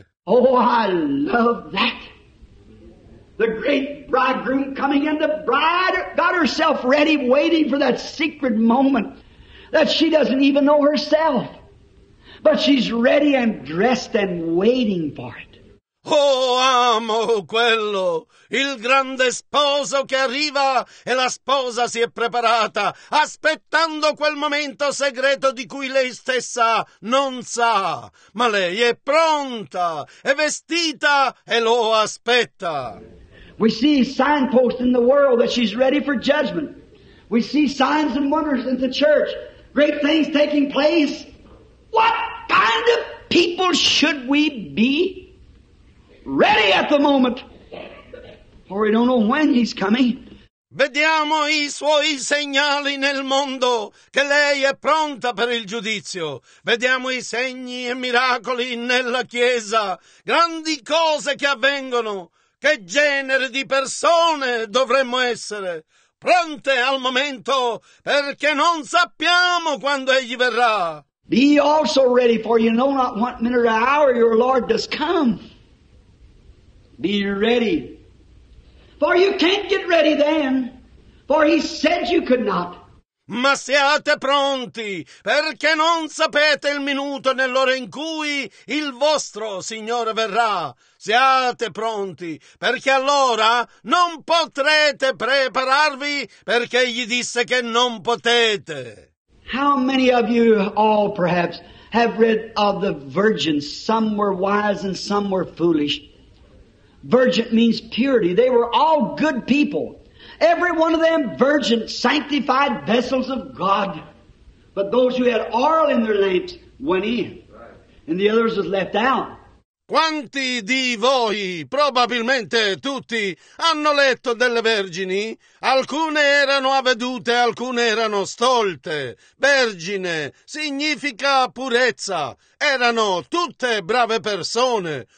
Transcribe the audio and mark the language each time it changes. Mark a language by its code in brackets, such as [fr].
[en] Oh, I love that. The great bridegroom coming in, the bride got herself ready, waiting for that secret moment that she doesn't even know herself. But she's ready and dressed and waiting for it. [it] Oh, amo quello! Il grande sposo che arriva e la sposa si è preparata, aspettando quel momento segreto di cui lei stessa non sa. Ma lei è pronta, è vestita e lo aspetta. [en] We see signposts in the world that she's ready for judgment. We see signs and wonders in the church. Great things taking place. What kind of people should we be ready at the moment? For we don't know when he's coming. [it] Vediamo i suoi segnali nel mondo, che lei è pronta per il giudizio. Vediamo i segni e miracoli nella Chiesa, grandi cose che avvengono. Che genere di persone dovremmo essere? pronte al momento, perché non sappiamo quando egli verrà. [en] Be ye also ready, for you know not what minute or hour your Lord does come. Be ready, for you can't get ready then, for he said you could not. [it] Ma siate pronti, perché non sapete il minuto nell'ora in cui il vostro Signore verrà. Siate pronti, perché allora non potrete prepararvi, perché egli disse che non potete. [en] How many of you all perhaps have read of the virgins? Some were wise and some were foolish. Virgin means purity. They were all good people. Every one of them virgin, sanctified vessels of God. But those who had oil in their lamps went in, and the others were left out. [it] Quanti di voi, probabilmente tutti, hanno letto delle vergini? Alcune erano avvedute, alcune erano stolte. Vergine significa purezza. Erano tutte brave persone.